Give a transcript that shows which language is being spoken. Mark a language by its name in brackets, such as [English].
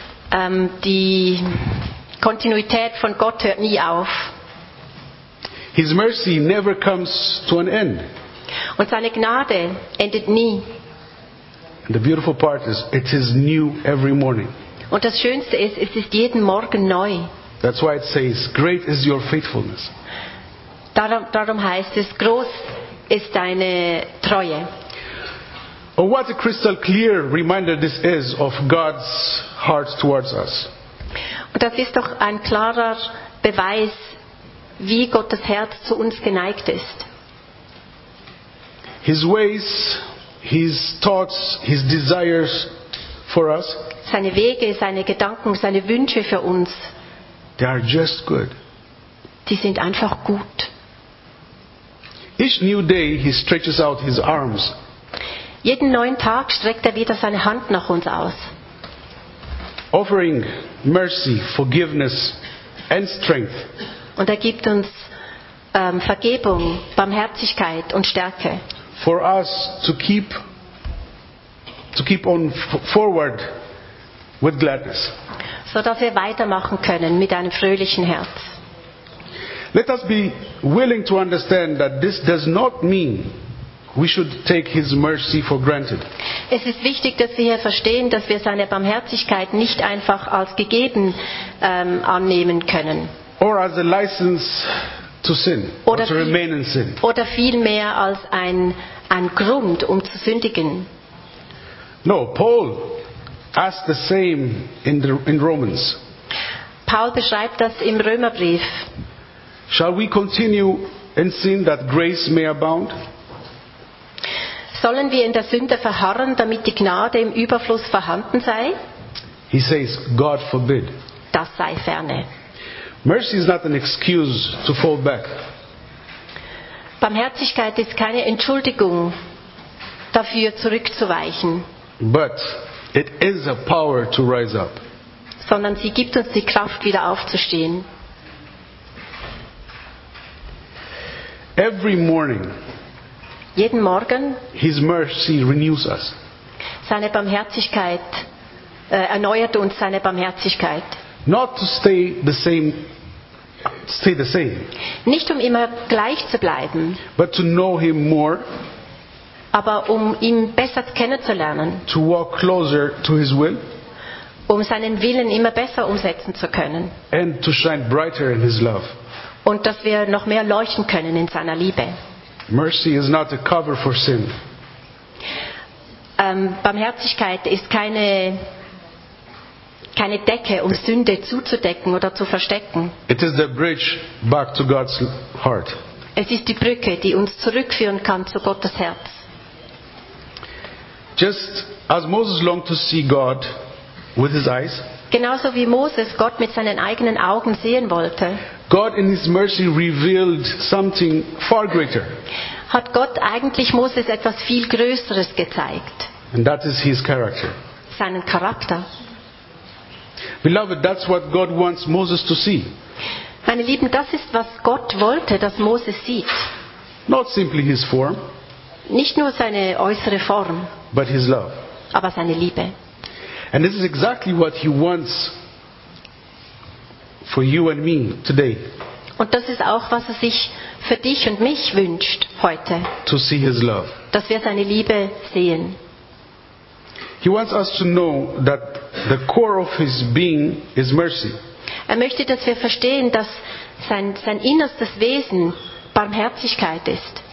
[German] Die Kontinuität von Gott hört nie auf. [English] His mercy never comes to an end. [German] Und seine Gnade endet nie. [English] And the beautiful part is it is new every morning. [German] Und das Schönste ist, es ist jeden Morgen neu. [English] That's why it says, great is your faithfulness. [German] Darum heißt es, groß ist deine Treue. [English] Oh, what a crystal clear reminder this is of God's heart towards us. [German] Und das ist doch ein klarer Beweis, wie Gottes Herz zu uns geneigt ist. [English] His ways, his thoughts, his desires for us. [German] Seine Wege, seine Gedanken, seine Wünsche für uns. [English] They are just good. [German] Die sind einfach gut. [English] Each new day he stretches out his arms. [German] Jeden neuen Tag streckt er wieder seine Hand nach uns aus. [English] Offering mercy, forgiveness and strength. [German] Und er gibt uns Vergebung, Barmherzigkeit und Stärke. [English] For us to keep on forward with gladness. [German] So dass wir weitermachen können mit einem fröhlichen Herz. [English] Let us be willing to understand that this does not mean we should take his mercy for granted. [German] Es ist wichtig, dass wir hier verstehen, dass wir seine Barmherzigkeit nicht einfach als gegeben annehmen können. [English] Or as a license to sin, [German] oder [English] or to remain in sin. [German] Oder vielmehr als ein Grund, um zu sündigen. [English] No, Paul asked the same in Romans. [German] Paul beschreibt das im Römerbrief. [English] Shall we continue in sin that grace may abound? [German] Sollen wir in der Sünde verharren, damit die Gnade im Überfluss vorhanden sei? [English] He says, God forbid. [German] Das sei ferne. [English] Mercy is not an excuse to fall back. [German] Barmherzigkeit ist keine Entschuldigung dafür zurückzuweichen. [English] But it is a power to rise up. [German] Sondern sie gibt uns die Kraft, wieder aufzustehen. [English] Every morning, [German] jeden Morgen, [English] his mercy renews us. [German] Seine Barmherzigkeit erneuert uns seine Barmherzigkeit. [English] Not to stay the same. [German] Nicht um immer gleich zu bleiben. [English] But to know him more. [German] Aber um ihn besser kennenzulernen. [English] To walk closer to his will. [German] Um seinen Willen immer besser umsetzen zu können. [English] And to shine brighter in his love. [German] Und dass wir noch mehr leuchten können in seiner Liebe. [English] Mercy is not a cover for sin. [German] Barmherzigkeit ist keine Decke, um Sünde zuzudecken oder zu verstecken. [English] It is the bridge back to God's heart. [German] Es ist die Brücke, die uns zurückführen kann zu Gottes Herz. [English] Just as Moses longed to see God with his eyes. [German] Genauso wie Moses Gott mit seinen eigenen Augen sehen wollte. [English] God in his mercy revealed something far greater. [German] Hat Gott eigentlich Moses etwas viel Größeres gezeigt? [English] And that is his character. [German] Seinen Charakter. [English] Beloved, that's what God wants Moses to see. [German] Meine Lieben, das ist, was Gott wollte, dass Moses sieht. [English] Not simply his form. [German] Nicht nur seine äußere Form. [English] But his love. [German] Aber seine Liebe. [English] And this is exactly what he wants for you and me today. [German] Und das ist auch, was er sich für dich und mich wünscht heute. [English] To see his love. [German] Dass wir seine Liebe sehen. [English] He wants us to know that the core of his being is mercy. [German] Er möchte, dass wir verstehen, dass sein innerstes Wesen Barmherzigkeit ist.